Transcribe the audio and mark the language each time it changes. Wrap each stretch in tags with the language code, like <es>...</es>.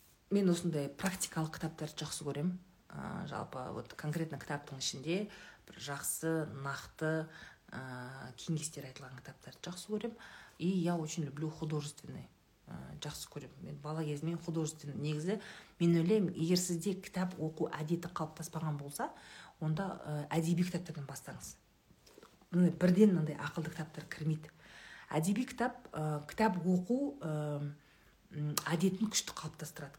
<kk>Мен осындай практикалық кітаптарды жақсы көрем. Жалпы</kk> <ru>вот конкретно</ru> <kk>кітаптың ішінде бір жақсы, нақты кеңестер айтылған кітаптарды жақсы көрем.</kk> <ru>И я очень люблю художественный.</ru> <kk>Жақсы көрем. Мен бала кезімнен художественный негізі. Мен ойлаймын, егер сізде кітап оқу әдеті қалыптаспаған болса, онда әдеби кітаптардан бастаңыз. Мына бірден мындай ақылды кітаптар кірмейді. Әдеби кітап, кітап оқу әдетін күшті қалыптастырады.</kk>